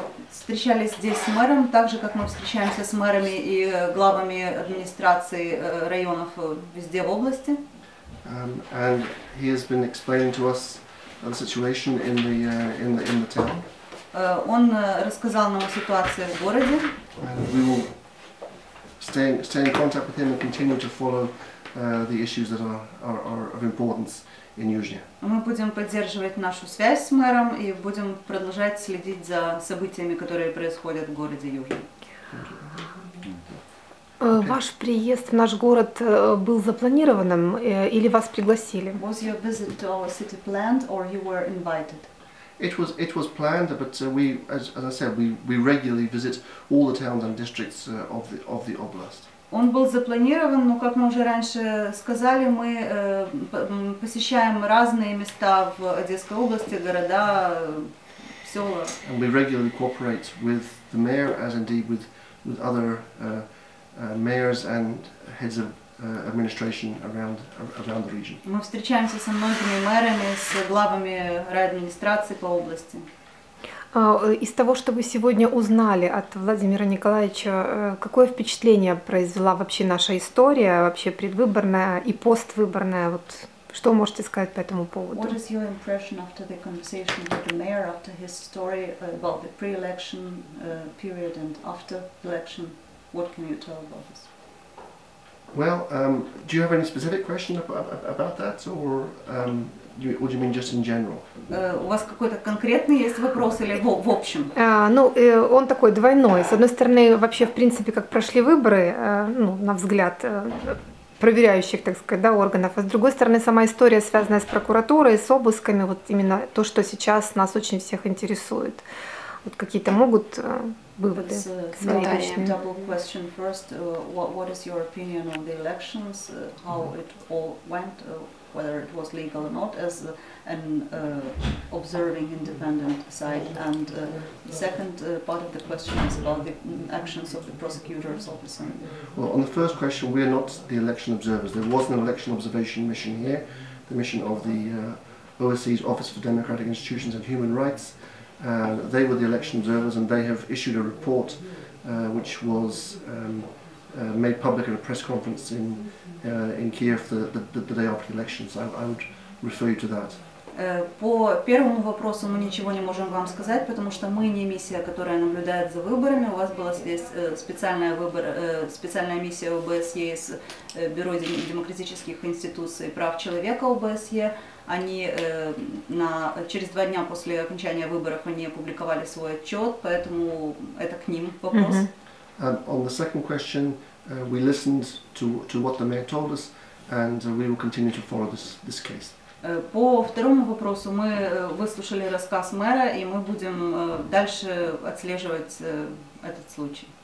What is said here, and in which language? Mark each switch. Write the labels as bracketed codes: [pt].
[ru] встречались здесь с мэром, так же, как мы встречаемся с мэрами и главами администраций районов везде в области. [en] And he has been explaining to us the situation in the town. [ru] Он рассказал нам о ситуации в городе. [en] And we will stay in contact with him and continue to follow the issues that are of importance in Yuzhny. [ru] Мы будем поддерживать нашу связь с мэром и будем продолжать следить за событиями, которые происходят в городе Южный. [en] Okay. [ru] Ваш приезд в наш город был запланированным или вас пригласили? [en] Was your visit to our city planned or you were invited? It was planned, but we regularly visit all the towns and districts of the oblast. [ru] Он был запланирован, но как мы уже раньше сказали, мы посещаем разные места в Одесской области, города, сёла. [en] And we regularly cooperate with the mayor, as indeed with other mayors and heads of administration around the region. [ru] Мы встречаемся со многими мэрами, с главами райадминистрации по области. Из того, что вы сегодня узнали от Владимира Николаевича, какое впечатление произвела вообще наша история, вообще предвыборная и поствыборная? Вот что вы можете сказать по этому поводу? [en] What is your impression after the conversation with the mayor, after his story about the pre-election period and after election? What can you tell about this? Well, do you have any specific question about that, or what do you mean just in general? [ru] У вас какой-то конкретный есть вопрос или в общем? Он такой двойной. С одной стороны, вообще, в принципе, как прошли выборы, на взгляд проверяющих, так сказать, да, органов. А с другой стороны, сама история, связанная с прокуратурой, с обысками, вот именно то, что сейчас нас очень всех интересует. Вот какие-то могут выводы свои личные. [en] Maybe a double question first. What is your opinion on the elections? How it all went? Whether it was legal or not, as an observing independent side. And the second part of the question is about the actions of the prosecutor's office. Well, on the first question, we are not the election observers. There was an election observation mission here, the mission of the OSCE's Office for Democratic Institutions and Human Rights. They were the election observers, and they have issued a report which was made public at a press conference in Kiev the day after the elections. I would refer you to that. [ru] По первому вопросу мы ничего не можем вам сказать, потому что мы не миссия, которая наблюдает за выборами. У вас была здесь специальная миссия ОБСЕ из Бюро демократических институций прав человека ОБСЕ. Они через два дня после окончания выборов они опубликовали свой отчет, поэтому это к ним вопрос. [en] On the second question, we listened to what the mayor told us, and we will continue to follow this case. [ru] По второму вопросу мы выслушали рассказ мэра, и мы будем дальше отслеживать этот случай.